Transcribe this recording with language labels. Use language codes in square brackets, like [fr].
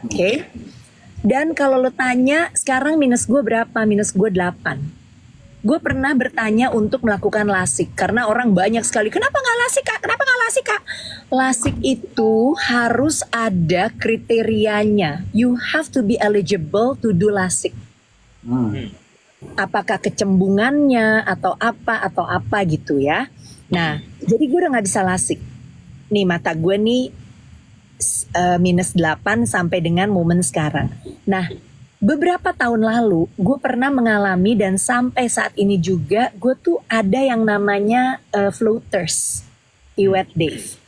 [id] Oke. Okay? Dan kalau lo tanya, sekarang minus gue berapa? Minus gue 8. Gue pernah bertanya untuk melakukan lasik. Karena orang banyak sekali, kenapa gak lasik kak? Lasik itu harus ada kriterianya. [en] You have to be eligible to do lasik. [id] Apakah kecembungannya atau apa gitu ya. Nah, jadi gue udah gak bisa lasik. Nih mata gue nih. Minus 8 sampai dengan momen sekarang. Nah, beberapa tahun lalu gue pernah mengalami dan sampai saat ini juga gue tuh ada yang namanya floaters, wet day.